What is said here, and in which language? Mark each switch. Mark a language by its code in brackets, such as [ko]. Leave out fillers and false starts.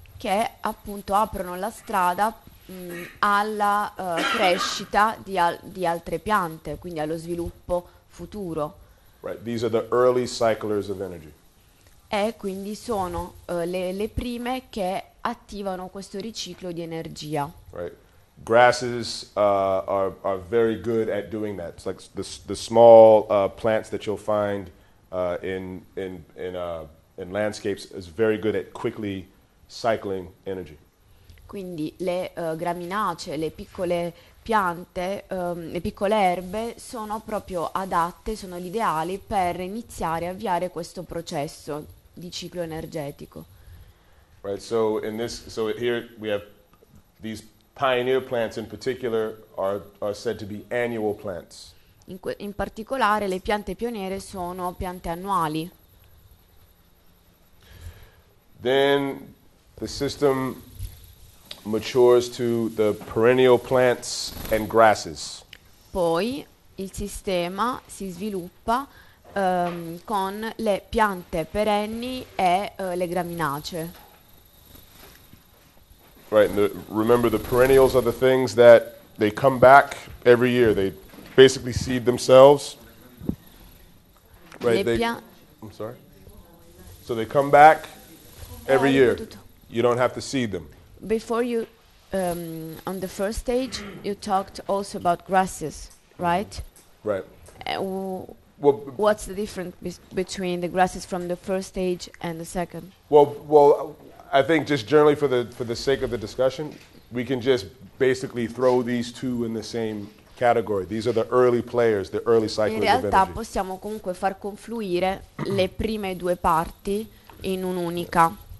[it] Che appunto aprono la strada alla crescita di altre piante, quindi allo sviluppo futuro. [en] Right, these are the early cyclers of energy. [it] E quindi sono le prime che attivano questo riciclo di energia. [en] Right. Grasses are very good at doing that. It's like the small plants that you'll find in landscapes is very good at quickly cycling energy. [it] Quindi le graminacee, le piccole piante, le piccole erbe sono proprio adatte, sono gli ideali per iniziare a avviare questo processo di ciclo energetico. [en] Right, so in this, so here we have these pioneer plants in particular are said to be annual plants. [it] In particolare le piante pioniere sono piante annuali. [en] Then the system matures to the perennial plants and grasses. [it] Poi il sistema si sviluppa con le piante perenni e le graminacee. [en] Right, and remember the perennials are the things that they come back every year. They basically seed themselves. Right, So they come back every year. You don't have to seed them. Before you, on the first stage, you talked also about grasses, right? Right. What's the difference between the grasses from the first stage and the second? Well, I think just generally for the sake of the discussion, we can just basically throw these two in the same category. These are the early players, the early cyclers of energy. [it] In realtà possiamo comunque far confluire le prime due parti in un'unica.